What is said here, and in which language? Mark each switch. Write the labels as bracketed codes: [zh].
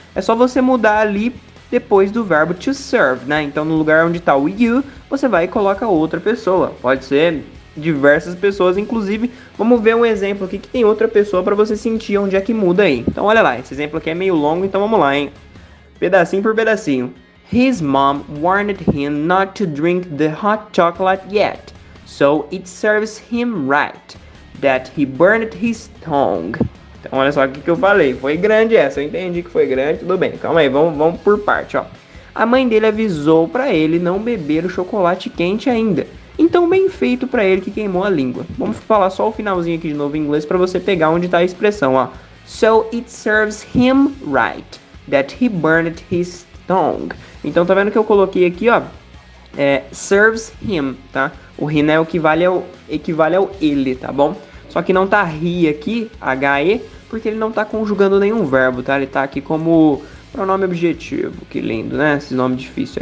[pt] É só você mudar ali depois do verbo to serve, né? Então no lugar onde tá o you, você vai e coloca outra pessoa. Pode ser diversas pessoas, inclusive, vamos ver um exemplo aqui que tem outra pessoa para você sentir onde é que muda aí. Então olha lá, esse exemplo aqui é meio longo, então vamos lá, hein? Pedacinho por pedacinho. [en] His mom warned him not to drink the hot chocolate yet, so it serves him right that he burned his tongue. [pt] Então olha só o que eu falei, foi grande essa, eu entendi que foi grande, tudo bem, calma aí, vamos por parte, ó. A mãe dele avisou pra ele não beber o chocolate quente ainda, então bem feito pra ele que queimou a língua. Vamos falar só o finalzinho aqui de novo em inglês pra você pegar onde tá a expressão, ó. [en] So it serves him right that he burned his tongue. [pt] Então tá vendo que eu coloquei aqui, ó, é, [en] serves him, [pt] tá? O he, né, equivale ao ele, tá bom? Só que não tá he aqui, H-E, porque ele não tá conjugando nenhum verbo, tá? Ele tá aqui como pronome objetivo. Que lindo, né? Esse nome difícil.